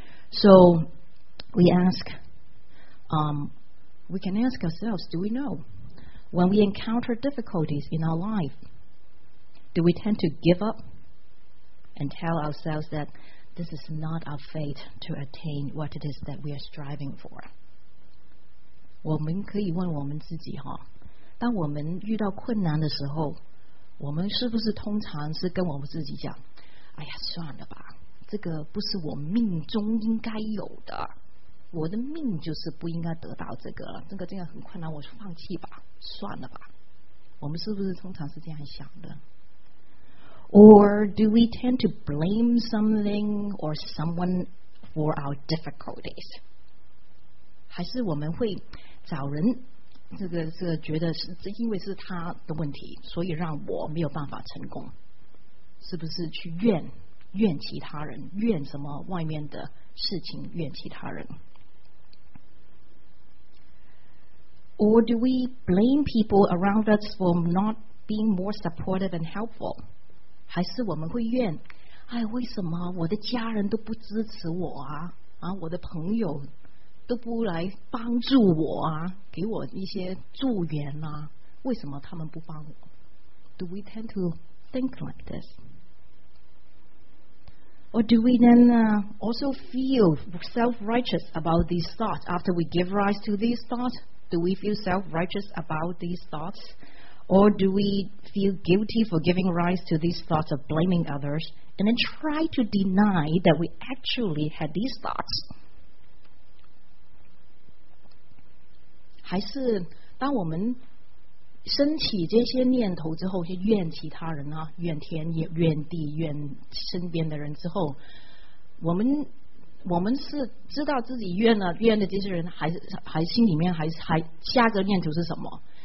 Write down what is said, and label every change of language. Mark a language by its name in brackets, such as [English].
[English] So we ask, we can ask ourselves, do we know? When we encounter difficulties in our life, do we tend to give up and tell ourselves that this is not our fate to attain what it is that we are striving for? [Chinese] 我们可以问我们自己哈，当我们遇到困难的时候，我们是不是通常是跟我们自己讲，哎呀，算了吧，这个不是我命中应该有的，我的命就是不应该得到这个了，这个很困难，我就放弃吧，算了吧。我们是不是通常是这样想的？ [English] Or do we tend to blame something or someone for our difficulties? [Chinese] 还是我们会找人这个觉得是因为是他的问题，所以让我没有办法成功，是不是去怨其他人，怨什么外面的事情，怨其他人？ [English] Or do we blame people around us for not being more supportive and helpful? [Chinese] 还是我们会怨，哎，为什么我的家人都不支持我啊？啊，我的朋友都不来帮助我啊，给我一些助缘啊，为什么他们不帮我？ [English] Do we tend to think like this? Or do we then also feel self-righteous about these thoughts after we give rise to these thoughts? Do we feel self-righteous about these thoughts? Or do we feel guilty for giving rise to these thoughts of blaming others and then try to deny that we actually had these thoughts? [Chinese] 还是当我们升起这些念头之后，就怨其他人啊，怨天怨地怨身边的人之后，我们是知道自己怨的这些人，还心里面还下个念头是什么？